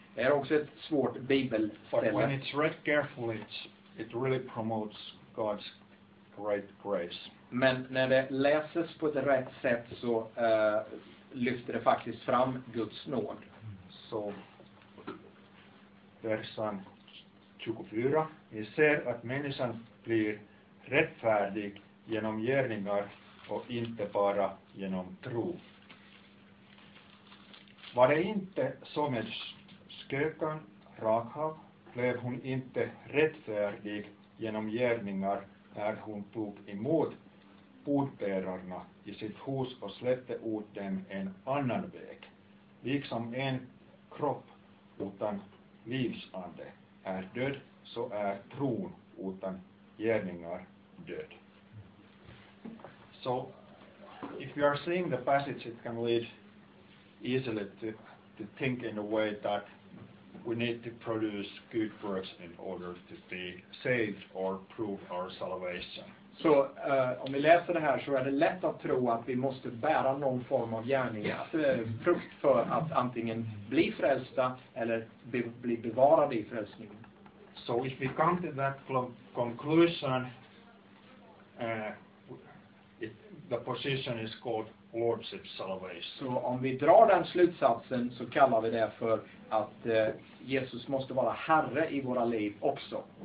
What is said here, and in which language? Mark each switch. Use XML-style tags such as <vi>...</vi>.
<sv>Det är också ett svårt bibelställe.</sv> <en>But when it's read carefully, it really promotes God's great grace.</en> <sv>Men när det läses på ett rätt sätt så lyfter det faktiskt fram Guds nåd. Så versan 24. Vi ser att människan blir rättfärdig genom gärningar och inte bara genom tro. Var det inte som en skökan Rahab, blev hon inte rättfärdig genom gärningar när hon tog emot budbärarna i sitt hus och släppte ut dem en annan väg. Liksom en kropp utan livsande är död, så är tron utan gärningar död.</sv> <en>So, if you are seeing the passage, it can lead easily to think in a way that we need to produce good works in order to be saved or prove our salvation.</en> <sv>Så om vi läser det här så är det lätt att tro att vi måste bära någon form av gärning, frukt för att antingen bli frälsta eller bli bevarade i frälsningen.</sv> <en>So if we come to that conclusion, the position is called Lordship salvation.</en> <sv>Så om vi drar den slutsatsen så kallar vi det för att Jesus måste vara herre i våra liv också.</sv>